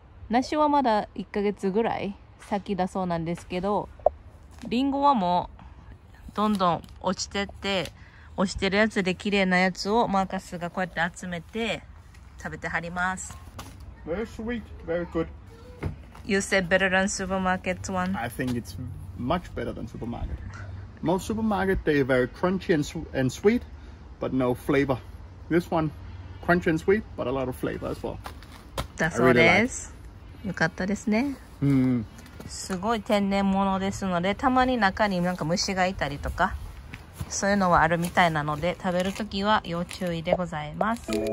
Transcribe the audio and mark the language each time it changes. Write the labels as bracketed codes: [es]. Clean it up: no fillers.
[ja] 梨はまだ1ヶ月ぐらい先だそうなんですけど、リンゴはもうどんどん落ちてって、落ちてるやつで綺麗なやつをマーカスがこうやって集めて食べてはります。 [en] Very sweet, very good. You said better than supermarket one. I think it's much better than supermarket. Most supermarket, they are very crunchy and sweet, but no flavor. This one, crunchy and sweet, but a lot of flavor as well. That's what it is. [ja] よかったですね。すごい天然物ですので、たまに中になんか虫がいたりとか、そういうのはあるみたいなので、食べるときは要注意でございます。